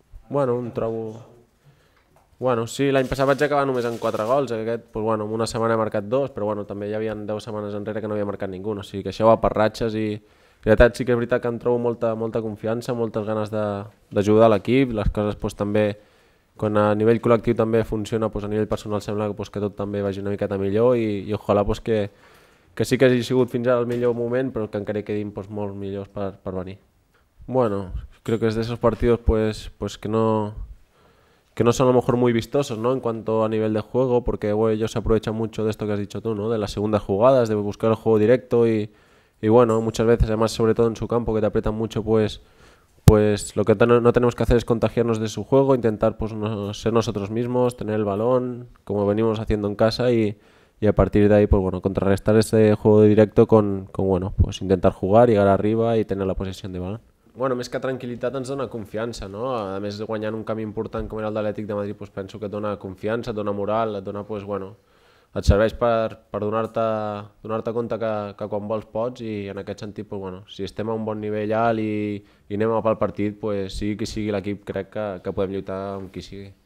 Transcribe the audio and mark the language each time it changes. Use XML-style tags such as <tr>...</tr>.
<ca>Bueno, em trobo... Bueno, sí, l'any passat vaig acabar només amb 4 gols, aquest, pues, bueno, en una setmana he marcat 2, però bueno, també hi havia 10 setmanes enrere que no havia marcat ningú, o sigui que això va per ratxes, i en realitat sí que és veritat que em trobo molta confiança, moltes ganes d'ajudar l'equip, les coses pues, també, quan a nivell col·lectiu també funciona, pues, a nivell personal sembla pues, que tot també vagi una miqueta millor, i ojalà pues, que sí que hagi sigut fins ara el millor moment, però que encara quedin pues, molt millors per venir.</ca> <es>Bueno, creo que es de esos partidos pues que no son a lo mejor muy vistosos, ¿no? En cuanto a nivel de juego, porque bueno, ellos se aprovechan mucho de esto que has dicho tú, ¿no? De las segundas jugadas, de buscar el juego directo, y bueno, muchas veces, además sobre todo en su campo, que te aprietan mucho, pues lo que no tenemos que hacer es contagiarnos de su juego, intentar pues, no, ser nosotros mismos, tener el balón, como venimos haciendo en casa, y a partir de ahí, pues bueno, contrarrestar ese juego directo con bueno, pues intentar jugar, llegar arriba y tener la posesión de balón.</es> <ca>Bueno, més que tranquil·litat ens dona confiança, no? A més, guanyant un camp important com era el de l'Atlètic de Madrid, pues penso que et dona confiança, et dona moral, et dona, pues bueno, et serveix per donar-te compte que quan vols pots, i en aquest sentit, pues bueno, si estem a un bon nivell alt i anem a pel partit, pues sigui qui sigui l'equip, crec que podem lluitar amb qui sigui.</ca>